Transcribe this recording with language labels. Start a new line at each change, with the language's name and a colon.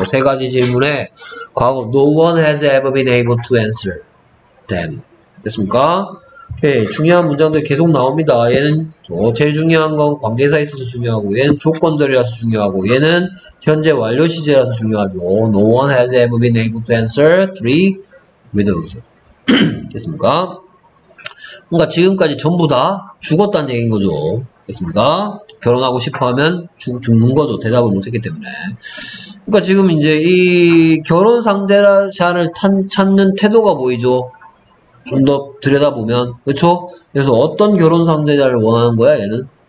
Korean: 세 가지 질문에 과거
English: no one has ever been able to answer them.
Korean: 됐습니까? 네, 중요한 문장들 계속 나옵니다. 얘는 제일 중요한 건 관계사에 있어서 중요하고, 얘는 조건절이라서 중요하고, 얘는 현재 완료 시제라서 중요하죠.
English: no one has ever been able to answer three riddles.
Korean: 됐습니까? 뭔가 지금까지 전부 다 죽었다는 얘기인 거죠. 됐습니까? 결혼하고 싶어 하면 죽는 거죠. 대답을 못했기 때문에. 그러니까 지금 이제 이 결혼 상대자를 찾는 태도가 보이죠. 좀더 들여다보면, 그쵸? 그래서 어떤 결혼 상대자를 원하는 거야, 얘는?